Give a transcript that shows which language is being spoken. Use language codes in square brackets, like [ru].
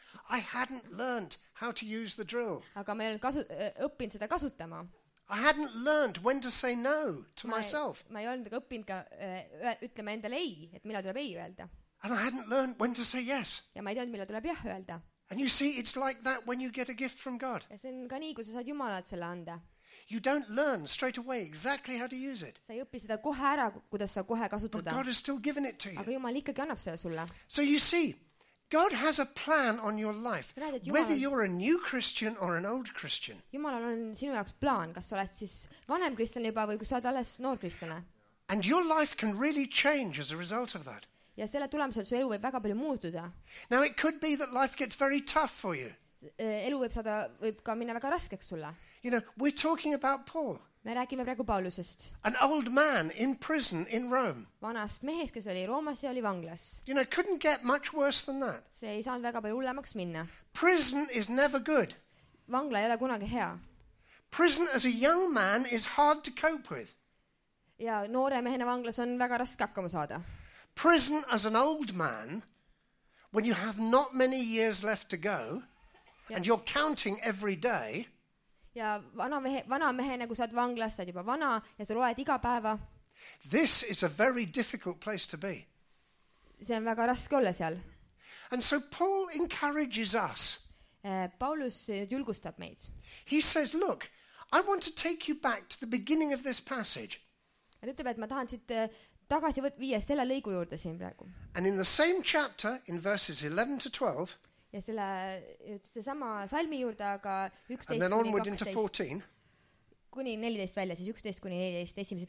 [en] I hadn't learned how to use the drill. [et] Aga ma ei olnud õppinud seda kasutama. [en] I hadn't learned when to say no to myself. [et] Ma ei olnud õppinud ka ütlema endale ei, et millal tuleb ei öelda. [en] And I hadn't learned when to say yes. [et] Ja ma ei teanud, millal tuleb jah öelda. [en] And you see, it's like that when you get a gift from God. [et] Ja see on ka nii, kui sa saad Jumalalt selle anda. [en] You don't learn straight away exactly how to use it. [et] Sa ei õppi seda kohe ära, kuidas sa kohe kasutada. [en] But God has still given it to you. [et] Aga Jumal ikkagi annab seda sulle. [en] So you see, God has a plan on your life. Whether you're a new Christian or an old Christian. [et] Jumalal on sinu jaoks plaan, kas sa oled siis vanem kristlane juba või kui sa oled alles noor kristlane. [en] And your life can really change as a result of that. [et] Ja selle tulemusel su elu võib väga palju muutuda. [en] Now it could be that life gets very tough for you. [et] Elu võib saada, võib ka minna väga raskeks sulle. [en] You know, we're talking about Paul. [et] Me räägime praegu Paulusest. [en] An old man in prison in Rome. [et] Vanast mehest, kes oli Roomas ja oli vanglas. [en] You know, couldn't get much worse than that. [et] See ei saanud väga palju hullemaks minna. [en] Prison is never good. [et] Vangla ei ole kunagi hea. [en] Prison as a young man is hard to cope with. [et] Ja noore mehena vanglas on väga raske hakkama saada. [en] Prison as an old man, when you have not many years left to go, and you're counting every day. [et] Ja vana mehena, kui sa oled vanglas, sa oled juba vana ja sa loed iga päeva. [en] This is a very difficult place to be. [et] See on väga raske olla seal. [en] And so Paul encourages us. [et] Paulus julgustab meid. [en] He says, look, I want to take you back to the beginning of this passage. [et] Ja ütleb, et ma tahan siit tagasi viia selle lõigu juurde siin praegu. [en] And in the same chapter, in verses 11 to 12, [et] ja selle sama salmi juurde aga 11-14 kuni 14 välja siis 11 kuni 14 esimese